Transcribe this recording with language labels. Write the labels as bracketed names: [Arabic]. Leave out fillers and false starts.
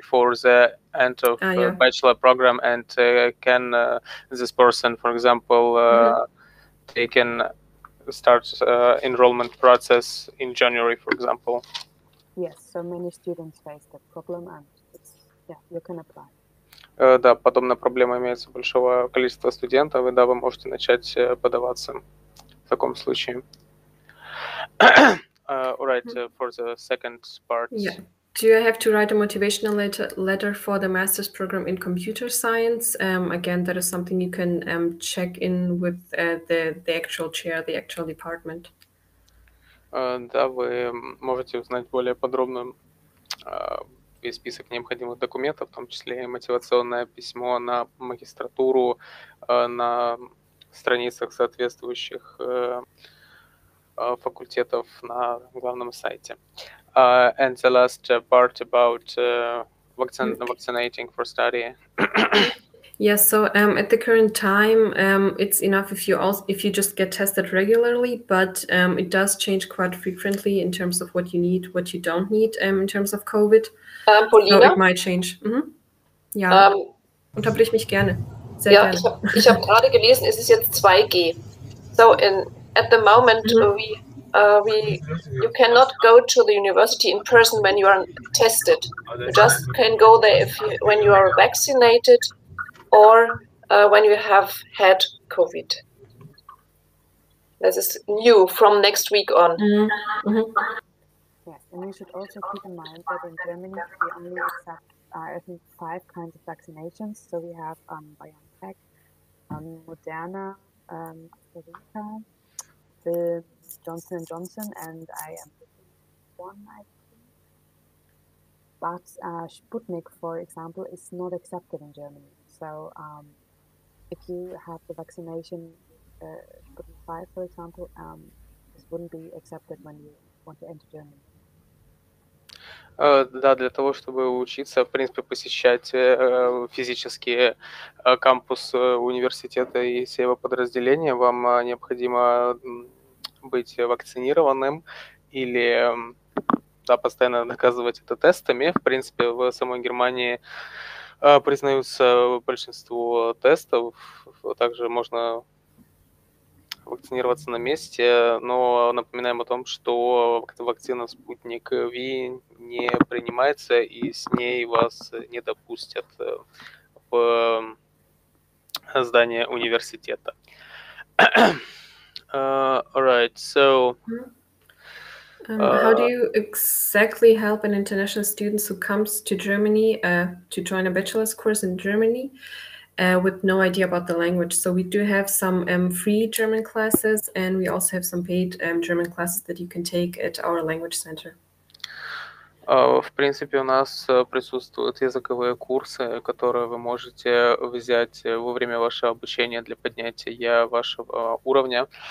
[English] before the end of bachelor program, and can this person, for example, mm-hmm. they can start enrollment process in January, for example? Yes, so many students face that problem, and you can apply. [Russian] Да, подобная проблема имеется у большого количества студентов, и да, вы можете начать подаваться в таком случае. [English] All right, for the second part. Yeah. Do you have to write a motivational letter for the master's program in computer science? Again, that is something you can check in with the actual chair, the actual department. [Russian] Да, вы можете узнать более подробно весь список необходимых документов, в том числе и мотивационное письмо на магистратуру на страницах соответствующих факультетов на главном сайте. [English] And the last part about vaccinating for study. Yes, so at the current time, it's enough if you just get tested regularly, but it does change quite frequently in terms of what you need, what you don't need in terms of COVID. Paulina? So it might change. [German] Mm-hmm. Ja, unterbrich mich gerne. Sehr gerne. Ich hab gerade gelesen, es ist jetzt 2G. [English] So at the moment, mm-hmm. You cannot go to the university in person when you are tested. You just can go there when you are vaccinated, or when you have had COVID. This is new from next week on. Mm-hmm. Yes, and you should also keep in mind that in Germany we only accept, I think, 5 kinds of vaccinations. So we have BioNTech, Moderna, AstraZeneca, the Johnson & Johnson, and I am one, I think. But Sputnik, for example, is not accepted in Germany. So if you have the vaccination, Sputnik 5, for example, this wouldn't be accepted when you want to enter Germany. [Russian] Да, для того, чтобы учиться, в принципе, посещать физически кампус университета и все его подразделения, вам необходимо быть вакцинированным или постоянно доказывать это тестами. В принципе, в самой Германии признаются большинство тестов, также можно вакцинироваться на месте, но напоминаем о том, что вакцина Спутник V не принимается и с ней вас не допустят в здание университета. [English] All right, so... Mm-hmm. How do you exactly help an international student who comes to Germany to join a bachelor's course in Germany with no idea about the language? So we do have some free German classes, and we also have some paid German classes that you can take at our language center. [Russian] В принципе, у нас присутствуют языковые курсы, которые вы можете взять во время вашего обучения для поднятия вашего уровня.